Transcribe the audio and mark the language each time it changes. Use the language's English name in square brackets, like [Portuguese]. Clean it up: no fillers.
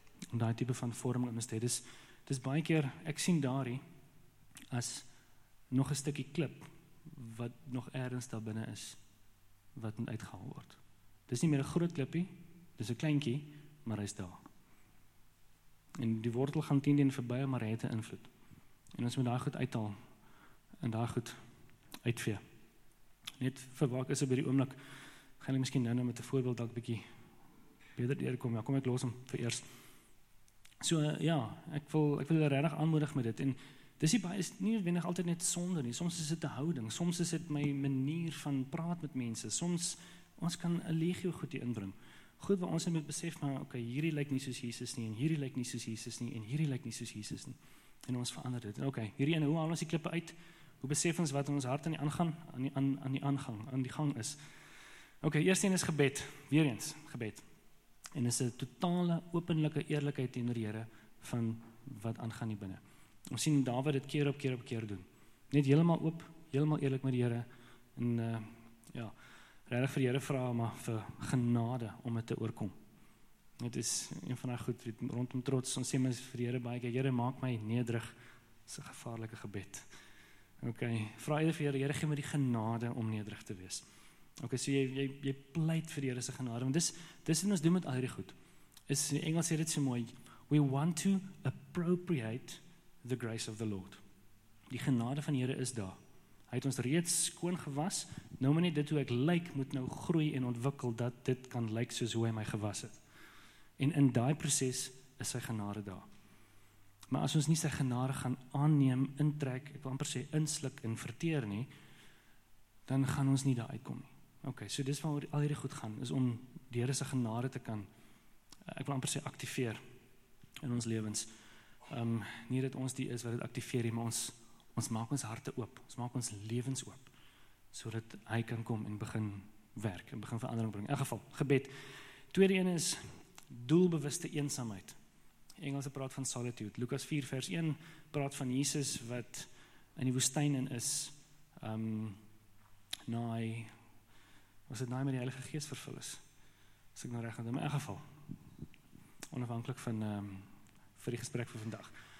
[Afrikaans] En daai tipe van vorming in my stede is dis baie keer ek sien daarie as nog 'n stukkie klip wat nog ergens daar binne is wat moet uitgehaal word. Dis nie meer 'n groot klippie, dis 'n kleintjie, maar hy's daar. En die wortel gaan teen verby, maar hy het 'n invloed. En ons moet daai goed uithaal en daai goed uitvee. Net vir waar is op hierdie oomblik gaan ek miskien nou met 'n voorbeeld dalk bietjie beter deurkom. Ja, kom ek los hom vir eers. So ja, ek wil julle regtig aanmoedig met dit en dis nie baie, is nie noodwendig altyd net sonde nie. Soms is dit 'n houding, soms is dit my manier van praat met mense. Soms ons kan 'n legio goed hier inbring. Goed wat ons moet besef, maar okay, hierdie lyk nie soos Jesus nie en hierdie lyk nie soos Jesus nie en hierdie lyk nie soos Jesus nie. En ons verander dit. Okay, hierdie ene, hoe haal ons die klippe uit? Hoe besef ons wat in ons hart aan die gang is? Okay, eerste een is gebed. Weer eens, gebed. En is 'n totale openlike eerlikheid teenoor die Here van wat aangaan hier binne. Ons sien Dawid dit keer op keer op keer doen. Net heeltemal oop, heeltemal eerlik met die Here en ja, regtig vir die Here vra maar vir genade om dit te oorkom. Dit is een van daai goed rondom trots. Ons sê mens vir die Here baie keer, Here maak my nederig. Dis 'n gevaarlike gebed. Okay, vra jy vir die Here, gee my die genade om nederig te wees. Okay, so jy pleit vir die Here se genade, want dis wat ons doen met al hierdie goed. Is in Engels sê dit so mooi, [English] we want to appropriate the grace of the Lord. [Afrikaans] Die genade van die Here is daar. Hy het ons reeds skoon gewas. Nou moet net dit hoe ek lyk moet nou groei en ontwikkel dat dit kan lyk soos hoe hy my gewas het. En in daai proses is sy genade daar. Maar as ons nie sy genade gaan aanneem, intrek, ek wil amper sê insluk en verteer nie, dan gaan ons nie daar uitkom nie. Okay, so dis waar al hierdie goed gaan, is om die Here se genade te kan ek wil amper sê aktiveer in ons lewens. Nie dat ons die is wat dit aktiveer nie, maar ons maak ons harte oop, ons maak ons lewens oop, sodat hy kan kom en begin werk, en begin verandering bring. In geval, gebed. Tweede een is doelbewuste eensaamheid. Engelse praat van solitude. Lukas 4 vers 1 praat van Jesus wat in die woestyn in is, na hy, was dit na hy met die Heilige Gees vervul is, as ek nou reg onthou, maar in geval, onafhanklik van vir die gesprek vir vandag.